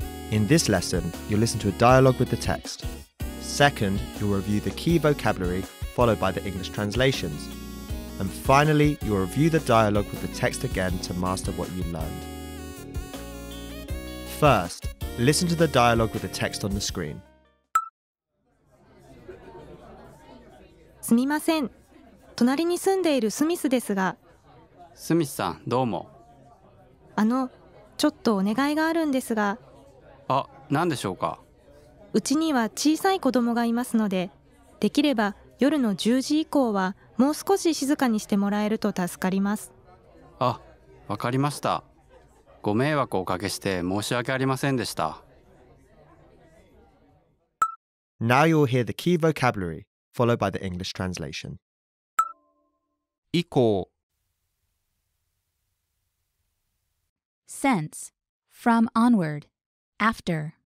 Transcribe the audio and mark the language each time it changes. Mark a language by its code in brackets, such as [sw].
[en] In this lesson, you'll listen to a dialogue with the text. Second, you'll review the key vocabulary followed by the English translations. And finally, you'll review the dialogue with the text again to master what you learned. First, listen to the dialogue with the text on the screen. [ja] すみません。隣に住んでいるスミスですが。スミスさん、どうも。あの、ちょっとお願いがあるんですが。あ、何でしょうか。うちには小さい子供がいますので、できれば夜の10時以降はもう少し静かにしてもらえると助かります。あ、わかりました。ご迷惑をおかけして申し訳ありませんでした。 [en] Now you'll hear the key vocabulary, followed by the English translation. [ja] 以降 [en] Since, from onward, after